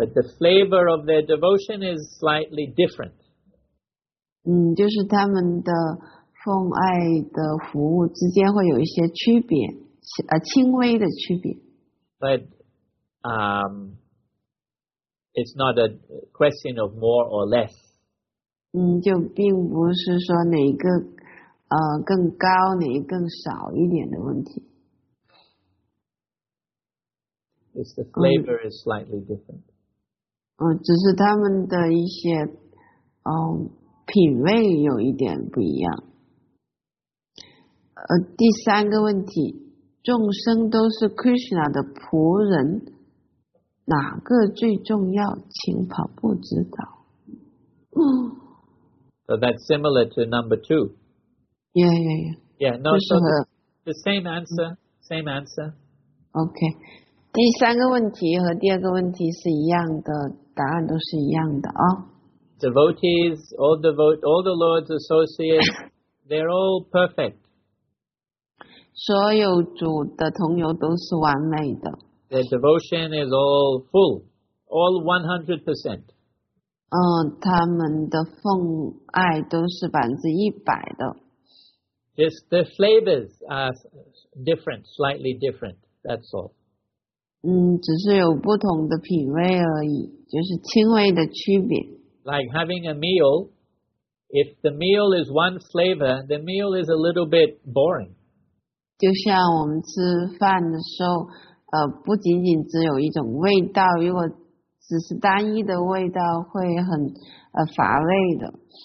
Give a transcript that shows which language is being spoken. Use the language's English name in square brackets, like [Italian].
[English] But the flavor of their devotion is slightly different. [Chinese] 就是他们的奉爱的服务之间会有一些区别，轻微的区别。 [English] But, it's not a question of more or less. [Chinese] 就并不是说哪一个更高，哪一个更少一点的问题。 [English] It's the flavor is slightly different. [Chinese] 只是他们的一些品味有一点不一样。第三个问题，众生都是 Krishna 的仆人，哪个最重要？请跑步指导。 [English] So that's similar to number two. Yeah, yeah, yeah. Yeah, no, so the same answer, same answer. Okay. [Chinese] 第三个问题和第二个问题是一样的，答案都是一样的啊。 [English] Devotees, all the Lord's associates, they're all perfect. [Chinese] 所有主的同游都是完美的。 [English] Their devotion is all full, all 100%. [Chinese] 他们的奉爱都是100%的。 [English] Just the flavors are different, slightly different, that's all. [Chinese] 只是有不同的品味而已，就是轻微的区别。 [English] Like having a meal, if the meal is one flavor, the meal is a little bit boring. [Chinese] 就像我们吃饭的时候，不仅仅只有一种味道，如果只是单一的味道，会很乏味的。